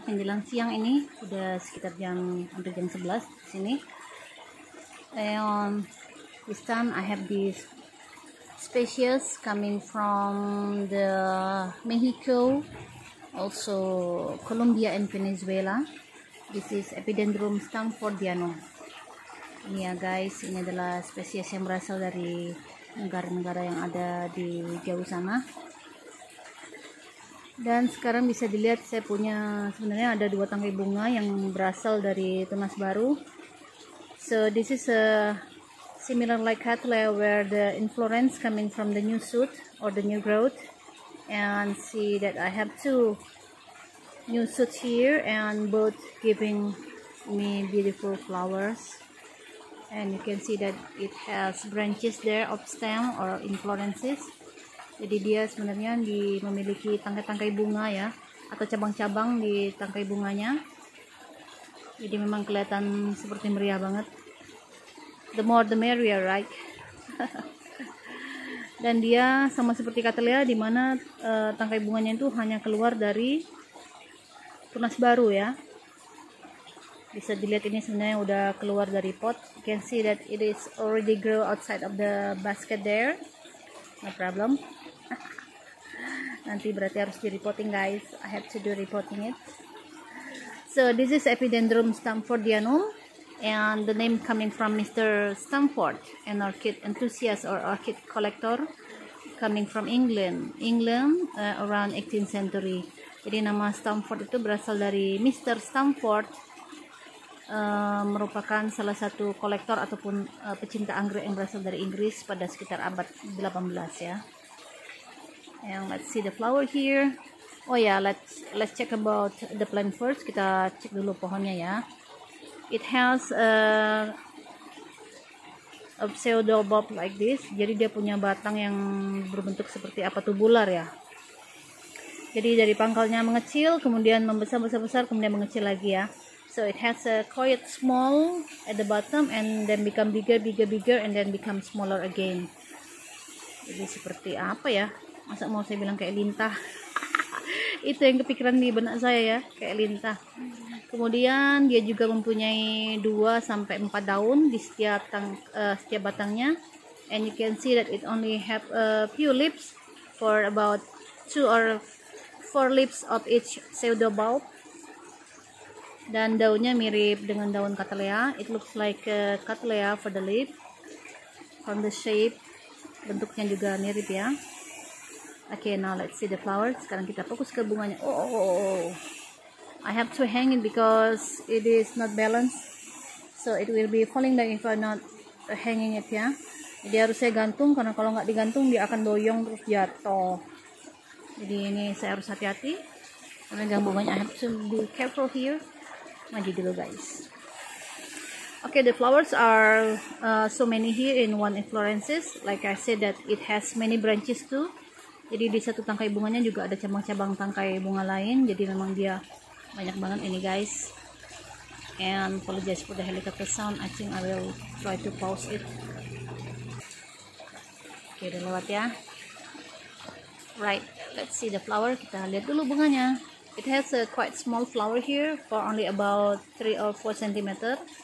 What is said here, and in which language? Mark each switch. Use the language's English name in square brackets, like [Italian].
[Indonesian] Menjelang siang ini udah sekitar jam hampir jam 11 di sini. [English] And this time I have this species coming from the Mexico, also Colombia and Venezuela. This is Epidendrum Stanfordiano. [Indonesian] Ini ya guys, ini adalah spesies yang berasal dari negara-negara yang ada di jauh sana. Dan sekarang bisa dilihat saya punya sebenarnya ada 2 tangkai bunga yang berasal dari tunas baru. [English] So this is a similar like cattleya where the inflorescence coming from the new shoot or the new growth. And see that I have 2 new shoots here and both giving me beautiful flowers. And you can see that it has branches there of stem or inflorescences. [Indonesian] Jadi dia sebenarnya memiliki tangkai-tangkai bunga ya, atau cabang-cabang di tangkai bunganya. Jadi memang kelihatan seperti meriah banget. [English] The more the merrier, right? [Indonesian] Dan dia sama seperti cattleya, di mana tangkai bunganya itu hanya keluar dari tunas baru ya. Bisa dilihat ini sebenarnya udah keluar dari pot. [English] You can see that it is already grow outside of the basket there. No problem. [Indonesian] Nanti berarti harus di repotting guys. [English] I have to do repotting it. So this is Epidendrum Stanfordiano and the name coming from Mr. Stanford, an orchid enthusiast or orchid collector coming from England around 18th century. [Indonesian] Jadi nama Stanford itu berasal dari Mr. Stanford, merupakan salah satu kolektor ataupun pecinta anggrek yang berasal dari Inggris pada sekitar abad 18 ya. [English] And let's see the flower here. Oh yeah, let's check about the plant first. [Indonesian] Kita cek dulu pohonnya ya. [English] It has a pseudo bulb like this. [Indonesian] Jadi dia punya batang yang berbentuk seperti apa tuh, bulat ya. Jadi dari pangkalnya mengecil, kemudian membesar-besar, kemudian mengecil lagi ya. [English] So it has a quite small at the bottom and then become bigger and then become smaller again. [Indonesian] Jadi seperti apa ya? Masa mau saya bilang kayak lintah. Itu yang kepikiran di benak saya ya, kayak lintah. Kemudian dia juga mempunyai 2 sampai 4 daun di setiap batangnya. [English] And you can see that it only have a few leaves for about 2 or 4 leaves of each pseudo bulb. [Indonesian] Dan daunnya mirip dengan daun cattleya. [English] It looks like a cattleya for the leaf. From the shape, [Indonesian] bentuknya juga mirip ya. [English] Okay, now let's see the flowers. [Indonesian] Sekarang kita fokus ke bunganya. [English] Oh, I have to hang it because it is not balanced. So it will be falling down if I'm not hanging it ya. [Indonesian] Jadi harus saya gantung, karena kalau nggak digantung dia akan doyong terus jatuh. Jadi ini saya harus hati-hati. Karena bunganya, [English] I have to be careful here. [Indonesian] Maju dulu guys. [English] Okay, the flowers are so many here in one inflorescence. Like I said that it has many branches too. [Indonesian] Jadi di satu tangkai bunganya juga ada cabang-cabang tangkai bunga lain. Jadi memang dia banyak banget ini guys. [English] And apologize for the helicopter sound. I think I will try to pause it. Okay, [Indonesian] udah lewat ya. [English] Right, let's see the flower. [Indonesian] Kita lihat dulu bunganya. [English] It has a quite small flower here for only about 3 or 4 cm.